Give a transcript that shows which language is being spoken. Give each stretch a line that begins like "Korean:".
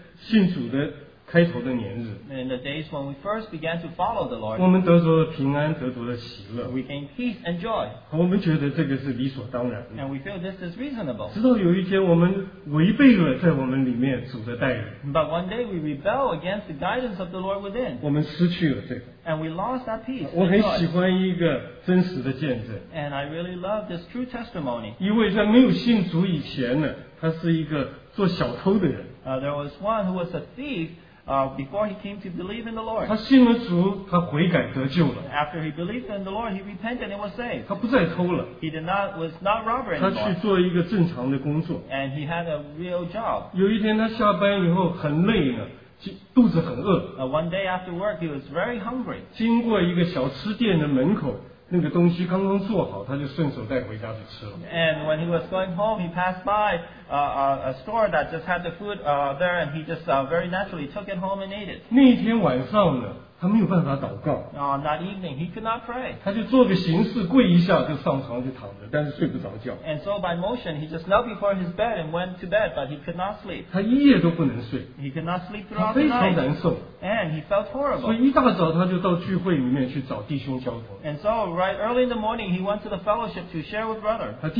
Chinese: 我们有的时候，在信主的开头的年日。
English: In the days when we first began to follow the Lord.
Chinese: 我们得着了平安，得着了喜乐。
English: We gained peace and joy.
Chinese: 我们觉得这个是理所当然的。
English: And we feel this is reasonable.
Chinese: 直到有一天，我们违背了在我们里面主的带领。
English: But one day we rebel against the guidance of the Lord within.
Chinese: 我们失去了这个。
English: And we lost that peace.
Chinese: 我很喜欢一个真实的见证。
English: And I really love this true testimony.
Chinese: 一位在没有信主以前呢，他是一个做小偷的人。
English: There was one who was a thief before he came to believe in the Lord.
Chinese: 他信了主，他悔改得救了。
English: After he believed in the Lord, he repented and was saved.
Chinese: 他不再偷了。
English: He was not robber anymore.
Chinese: 他去做一个正常的工作。
English: And he had a real job.
Chinese: 有一天他下班以后很累了，肚子很饿。
English: One day after work, he was very hungry.
Chinese: 经过一个小吃店的门口。那个东西刚刚做好，他就顺手带回家去吃了。
English: And when he was going home, he passed by a store that just had the food there, and he just very naturally took it home and ate it.
Chinese: 那一天晚上呢，他没有办法祷告。
English: That evening, he could not pray.
Chinese: 他就做个形式跪一下就上床就躺着，但是睡不着觉。
English: And so by motion, he just knelt before his bed and went to bed, but he could not sleep.
Chinese: 他一夜都不能睡。
English: He could not sleep throughout the night.
Chinese: 他非常难受。
English: And he felt horrible.
Chinese: 所以一大早他就到聚会里面去找弟兄交通。
English: And so right early in the morning, he went to the fellowship to share with brother.